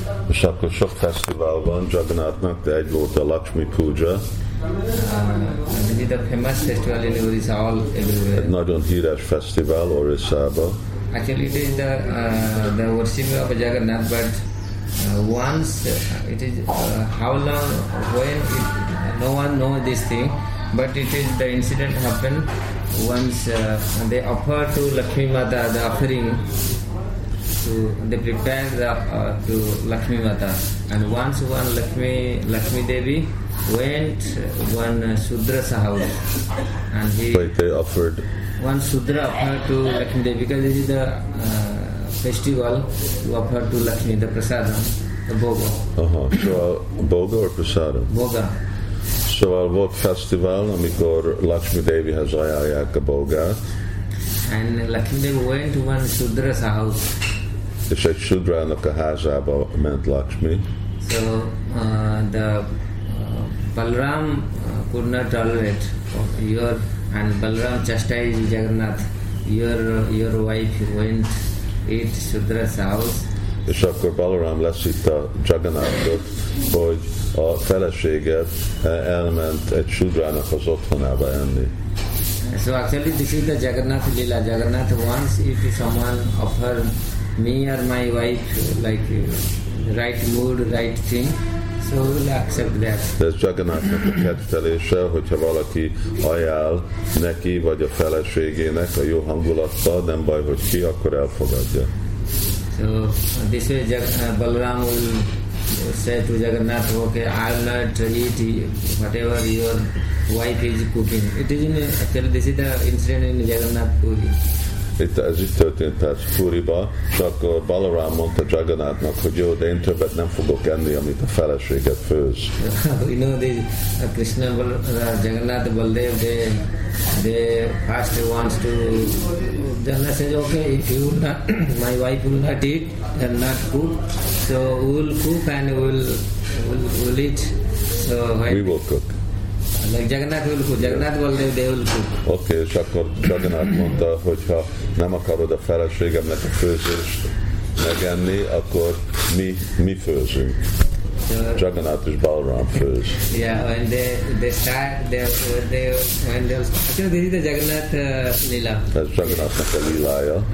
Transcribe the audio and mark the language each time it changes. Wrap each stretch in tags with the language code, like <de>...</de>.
<hu>És akkor sok festival van Jagannathnak, de egy volt a Lakshmi Puja.</hu> <en>This is the famous festival in Odisha, all everywhere.</en> <hu>Egy nagyon híres festival Odisha-ba.</hu> <en>Actually, it is the worship of Jagannath, but once it is how long when it, no one know this thing, but it is the incident happened once they offer to Lakshmi Mata the offering to they prepare the to Lakshmi Mata, and once one Lakshmi Devi went one Sudra's house, and he but they offered one Sudra offered to Lakshmi Devi because this is the festival to offer to Lakshmi the prasada, the boga. Boga or prasada? Boga.</en> <hu>Szóval volt fesztivál, amikor Lakshmi Devihez ajánlják a bogát.</hu> <en>And Lakshmi Devi went to one Sudra's house.</en> <hu>És egy Sudra-nak a házába ment Lakshmi.</hu> <en>So the Balram could not tolerate your and Balram chastised Jagannath. Your wife went eat Sudra's house.</en> <hu>És akkor Balaram leszitta Jagannathot, hogy a feleséged elment egy Sudrának az otthonába enni.</hu> <en>So actually this is the Jagannath lila. Jagannath wants if someone offer me or my wife like right mood, right thing, so we'll accept that.</en> <hu>De ez Jagannathnak a kedvelése, hogyha valaki ajánl neki vagy a feleségének a jó hangulattal, nem baj, hogy ki, akkor elfogadja.</hu> <en>So this way Balaram will say to Jagannath, okay, I'll not eat whatever your wife is cooking. It is in actually this is the incident in Jagannath Puri.</en> <hu>Itt ez is történt persze Puriba, csak Balaram mondta Jagannathnak, hogy jó, de én többet nem fogok enni, amit a feleséget főz.</hu> <en>You know, the Krishna Jagannath Baldev, they first wants to, Jagannath says, okay, if you not, my wife will not eat and not cook, so we'll cook and we'll eat. So we will cook. Like Jagannath will cook. Jagannath Baldev, they will cook.</en> <hu>Okay, és akkor Jagannath mondta, hogyha nem akarod a feleségemnek a főzést megenni, akkor mi főzünk.</hu> <en>Jagannath is Balaram first. Yeah, when they start, they when they actually this is the Jagannath Lila. That's Jagannath Lila, yeah.</en>